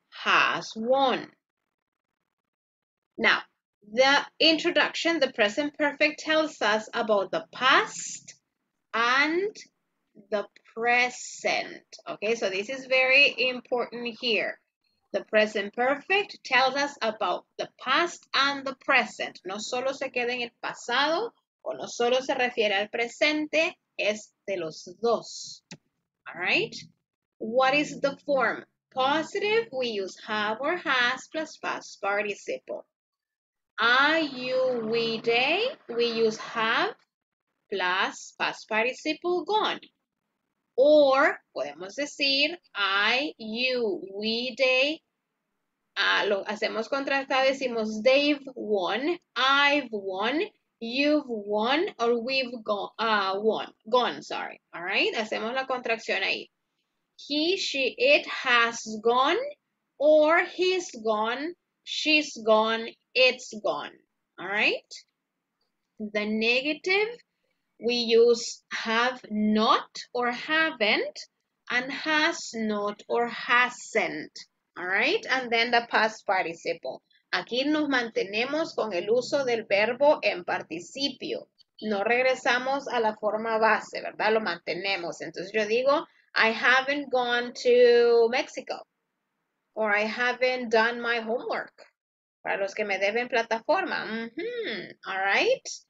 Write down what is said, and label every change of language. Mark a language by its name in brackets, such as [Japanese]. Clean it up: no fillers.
[English] Has won. Now, the introduction, the present perfect tells us about the past and the present. Okay, so this is very important here. The present perfect tells us about the past and the present. [Spanish] No solo se queda en el pasado o no solo se refiere al presente, es de los dos. [English] All right? What is the form? Positive, we use have or has plus past participle. Are you, we, they, we use have plus past participle gone. Or [Spanish] podemos decir [English] I, you, we, they. [Spanish] Lo hacemos contrastado, decimos [English] they've won, I've won, you've won, or we've gone. All right, [Spanish] hacemos la contracción ahí. [English] He, she, it has gone, or he's gone, she's gone, it's gone. All right, the negative we use have not or haven't, and has not or hasn't. All right, and then the past participle. [Spanish] Aquí nos mantenemos con el uso del verbo en participio. No regresamos a la forma base, ¿verdad? Lo mantenemos. Entonces yo digo, [English] I haven't gone to Mexico. Or I haven't done my homework. [Spanish] Para los que me deben plataforma. [English] Mm-hmm. All right.